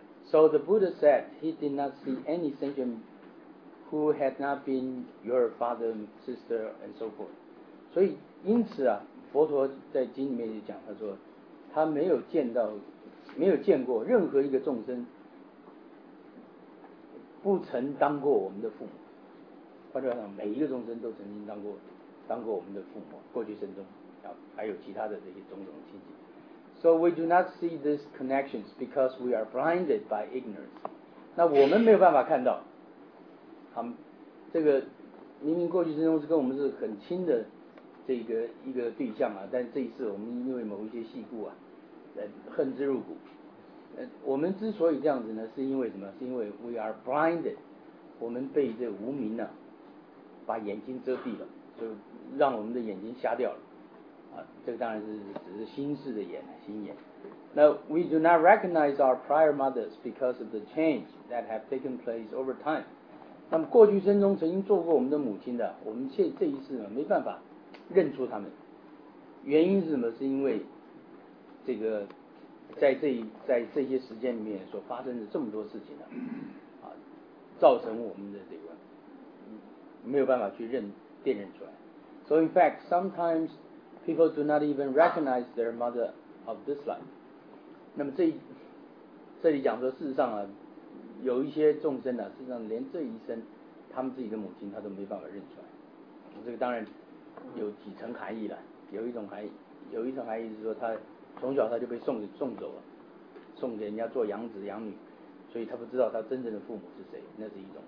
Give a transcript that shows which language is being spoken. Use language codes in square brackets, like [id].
[en] So the Buddha said he did not see any sentient who had not been your father, sister, and so forth. [zh] 所以因此啊，佛陀在经里面就讲，他说他没有见过任何一个众生不曾当过我们的父母。换句话讲，每一个众生都曾经当过我们的父母，过去生中，然后还有其他的这些种种亲戚。 [en] So we do not see these connections because we are blinded by ignorance. [zh] 那我们没有办法看到，好，这个明明过去生中是跟我们是很亲的这个一个对象啊，但这一次我们因为某一些细故啊，恨之入骨。我们之所以这样子呢，是因为什么？是因为 [en] we are blinded， [zh] 我们被这无明呢、啊，把眼睛遮蔽了，就让我们的眼睛瞎掉了。啊，这个当然是只是心事的眼，心眼。 [en] Now we do not recognize our prior mothers because of the change that have taken place over time。 [zh] 那么过去生中曾经做过我们的母亲的，我们现这一次呢，没办法认出他们。原因是什么？是因为这个。在这些时间里面所发生的这么多事情呢、啊，造成我们的这个没有办法去辨认出来。 [en] So in fact, sometimes people do not even recognize their mother of this life. [zh] 那么这里讲说，事实上啊，有一些众生呢、啊，事实上连这一生他们自己的母亲他都没办法认出来。这个当然有几层含义了，有一层含义是说他。从小他就被送走了，送给人家做养子养女，所以他不知道他真正的父母是谁，那是一种。